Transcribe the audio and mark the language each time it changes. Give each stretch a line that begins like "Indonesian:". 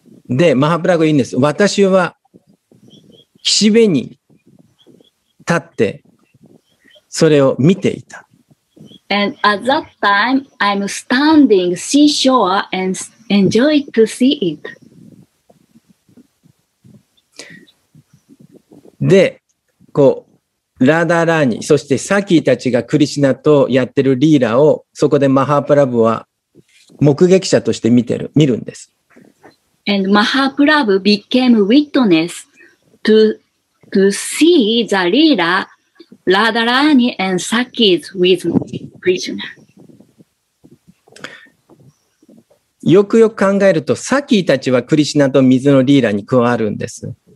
Japanese: で、マハプラグ言うんです。私は岸辺に立ってそれを見ていた。
English: And at that time, I'm standing seashore and enjoy to see it.
Japanese: で、こう、ラダラーニ、そしてサキーたちがクリシナとやってるリーラを、そこでマハプラブは目撃者として見てる、見るんです。
English: And Mahaprabhu became witness to see the Leela Radharani and Sakis with Krishna.
Japanese: よくよく考えると、サキーたちはクリシナと水のリーラに加わるんです。